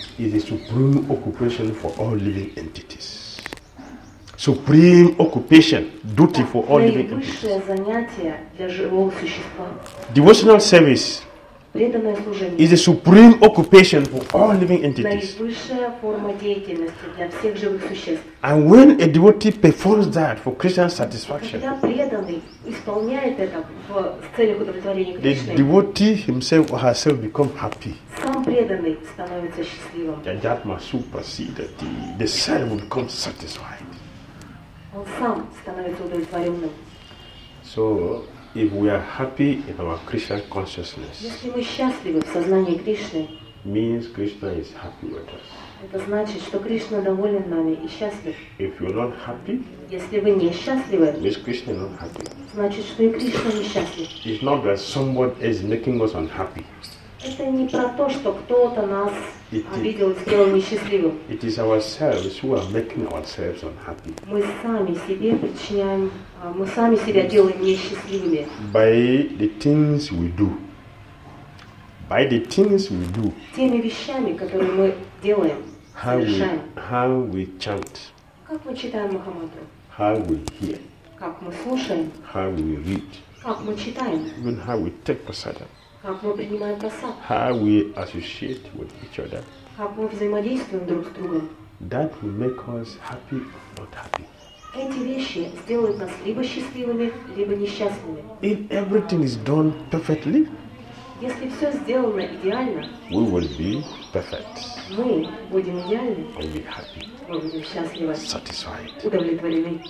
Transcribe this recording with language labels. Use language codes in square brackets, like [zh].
[en] It is supreme occupation for all living entities. Supreme occupation, duty for all living entities. [ru] Наивысшее занятие для живого существа. [en] Devotional service. [ru] Преданное служение. [en] Is a supreme occupation for all living entities. [ru] Наивысшая форма деятельности для всех живых существ. [en] And when a devotee performs that for Krishna's satisfaction. [ru] Когда преданный исполняет это в целях удовлетворения Кришны. [en] The devotee himself or herself become happy. [ru] Сам преданный становится счастливым. [en] Jajatma supersedati. The self will become satisfied. [ru] Он сам становится удовлетворенным. [en] So, if we are happy in our Krishna consciousness, [ru] если мы счастливы в сознании Кришны, [en] means Krishna is happy with us. [ru] Это значит, что Кришна доволен нами и счастлив. [en] If you're not happy, [ru] если вы не счастливы, [en] means Krishna is not happy. [ru] Значит, что и Кришна не счастлив. [en] It's not that someone is making us unhappy. [ru] Это не про то, что кто-то нас обидел и сделал несчастливым. [en] It is ourselves who are making ourselves unhappy. [ru] Мы сами себе причиняем, мы сами себя делаем несчастливыми. [en] By the things we do. By the things we do. [ru] Теми вещами, которые мы делаем, совершаем. [en] How we chant. [ru] Как мы читаем Махамантру. [en] How we hear. [ru] Как мы слушаем. [en] How we read. [ru] Как Как мы читаем? [en] Even how we take prasada. [ru] Как мы принимаем прасад? [en] How we associate with each other. [ru] Как мы взаимодействуем друг с другом? [en] That will make us happy or not happy. [ru] Эти вещи сделают нас либо счастливыми, либо несчастными. [en] If everything is done perfectly, [ru] если все сделано идеально, [en] we will be perfect. [ru] Мы будем идеальны. [en] We'll be happy. [ru] Мы будем счастливы. [en] Satisfied. [ru] Удовлетворены.